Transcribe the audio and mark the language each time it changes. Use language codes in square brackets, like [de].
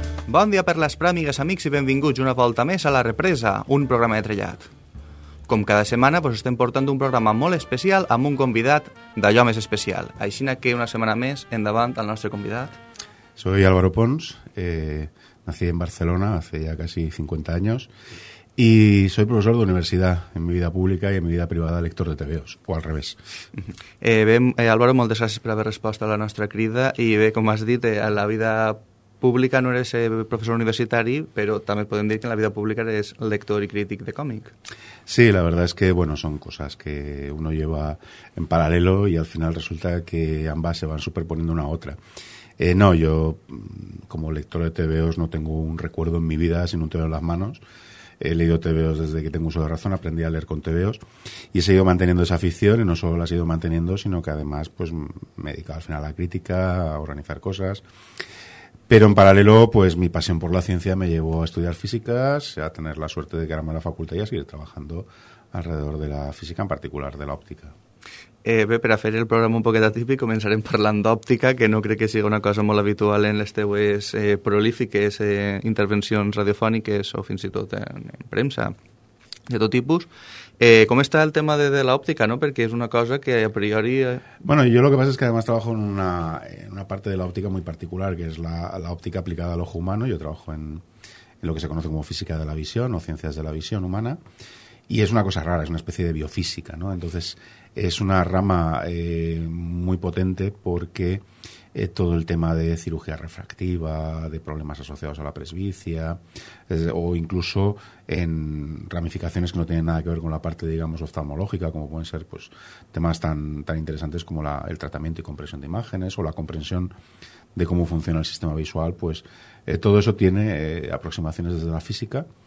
[ca] Bon dia per les pràmigues, amics, i benvinguts una volta més a La Represa, un programa de trellat. Com cada setmana, vos estem portant un programa molt especial amb un convidat d'allò més especial. Així que una setmana més, endavant el nostre convidat. [es] Soy Álvaro Pons, nací en Barcelona hace ya casi 50 años y soy profesor de universidad en mi vida pública y en mi vida privada lector de TVOs, o al revés. [ca] Álvaro, moltes gràcies per haver respost a la nostra crida i bé, com has dit, a la vida pública no eres professor universitari, però també podem dir que en la vida pública eres lector i crític de còmic. [es] Sí, la verdad es que, bueno, son cosas que uno lleva en paralelo y al final resulta que ambas se van superponiendo una a otra. No, yo como lector de TVOs no tengo un recuerdo en mi vida sin un TVO en las manos. He leído TVOs desde que tengo uso de razón, aprendí a leer con TVOs y he seguido manteniendo esa afición y no solo la he ido manteniendo, sino que además pues me he dedicado al final a la crítica, a organizar cosas. Pero en paralelo, pues mi pasión por la ciencia me llevó a estudiar físicas, a tener la suerte de quedarme en la facultad y a seguir trabajando alrededor de la física, en particular de la óptica. [ca] Bé, per a fer el programa un poquet atípic, començarem parlant d'òptica, que no crec que sigui una cosa molt habitual en les teves prolífiques intervencions radiofòniques o fins i tot en premsa de tot tipus. ¿Com està el tema de l'òptica, no? Perquè és una cosa que a priori... [es] Bueno, yo lo que pasa es que además trabajo en una parte de la óptica muy particular, que es la óptica aplicada al ojo humano. Yo trabajo en lo que se conoce como física de la visión o ciencias de la visión humana. Y es una cosa rara, es una especie de biofísica, ¿no? Entonces, es una rama muy potente porque todo el tema de cirugía refractiva, de problemas asociados a la presbicia, o incluso en ramificaciones que no tienen nada que ver con la parte, digamos, oftalmológica, como pueden ser pues temas tan interesantes como el tratamiento y compresión de imágenes o la comprensión de cómo funciona el sistema visual, pues todo eso tiene aproximaciones desde la física.